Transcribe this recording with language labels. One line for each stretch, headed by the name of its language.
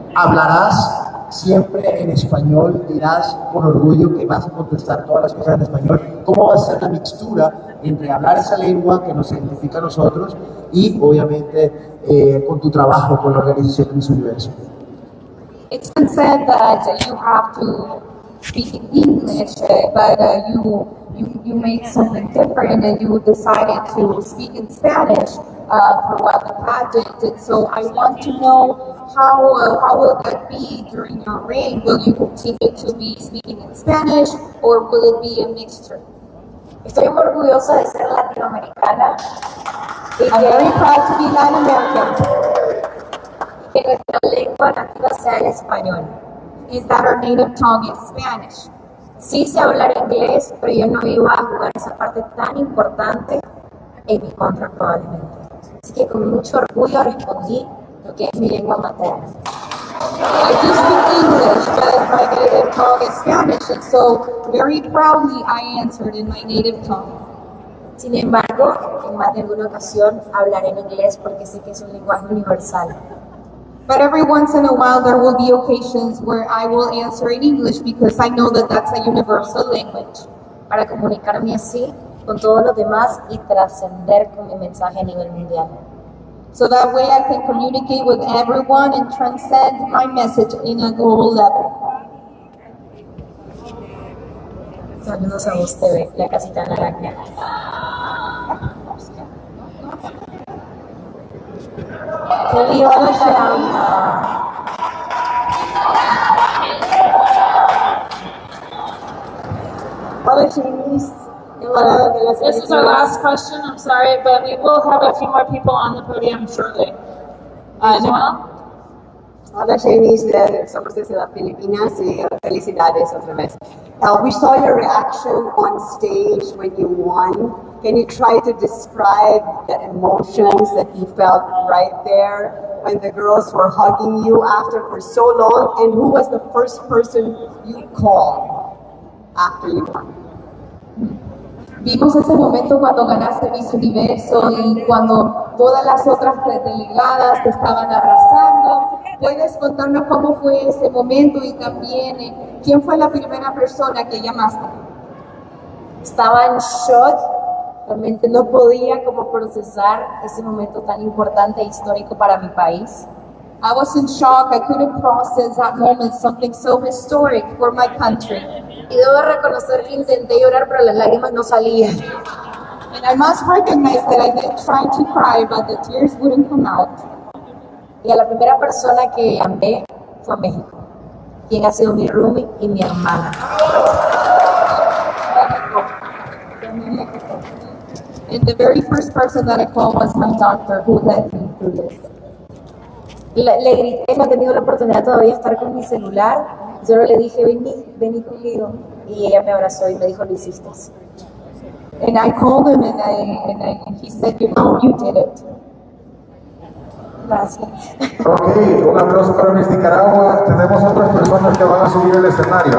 Spanish: ¿Hablarás siempre en español? ¿Dirás con orgullo que vas a contestar todas las cosas en español? ¿Cómo va a ser la mixtura entre hablar esa lengua que nos identifica a nosotros y obviamente con tu trabajo con la organización Miss Universo?
English: It's been said that you have to speak in English, but you made something different and you decided to speak in Spanish throughout the project. And so I want to know how will that be during your reign? Will you continue to be speaking in Spanish or will it be a mixture?
Spanish: Estoy muy orgullosa de ser latinoamericana.
English: I'm very proud to be Latin American.
Spanish: Que nuestra lengua nativa sea el español.
English: Is that our native tongue is Spanish?
Spanish: Sí sé hablar inglés, pero yo no iba a jugar esa parte tan importante en mi contra probablemente. Así que con mucho orgullo respondí lo que es mi lengua materna.
English: I do speak English, but my native tongue is Spanish, and so very proudly I answered in my native tongue.
Spanish: Sin embargo, en más de alguna ocasión hablaré en inglés porque sé que es un lenguaje universal.
English: But every once in a while there will be occasions where I will answer in English because I know that that's a universal language.
Spanish: Para comunicarme así con todos los demás y trascender con mi mensaje a nivel mundial.
English: So that way I can communicate with everyone and transcend my message in a global level.
Spanish: Saludos a usted, la casita naranja. Que viva la esperanza.
English: other things. This is our last question, I'm sorry, but we will have a few more people on the podium shortly.
Spanish: Hola, Jamie, somos desde las Filipinas y felicidades otra vez.
English: We saw your reaction on stage when you won. Can you try to describe the emotions that you felt right there when the girls were hugging you after for so long? And who was the first person you called after you won?
Spanish: Vimos ese momento cuando ganaste Miss Universo y cuando todas las otras delegadas te estaban abrazando. ¿Puedes contarnos cómo fue ese momento y también quién fue la primera persona que llamaste? Estaba en shock. Realmente no podía como procesar ese momento tan importante e histórico para mi país.
English: I was in shock. I couldn't process that moment, something so historic for my country.
Spanish: Y debo reconocer que intenté llorar, pero las lágrimas no salían.
English: And I must recognize that I did try to cry, but the tears wouldn't come out.
Spanish: Y a la primera persona que llamé fue a México, quien ha sido mi roommate y mi hermana.
English: And the very first person that I called was my doctor, who led me through this.
Spanish: Le grité, no he tenido la oportunidad todavía de estar con mi celular. Yo le dije, vení conmigo. Y ella me abrazó y me dijo, lo hiciste.
English: And I called him and he said, you did it.
Spanish: Gracias. Ok, un aplauso para Miss Nicaragua. Tenemos otras personas que van a subir el escenario.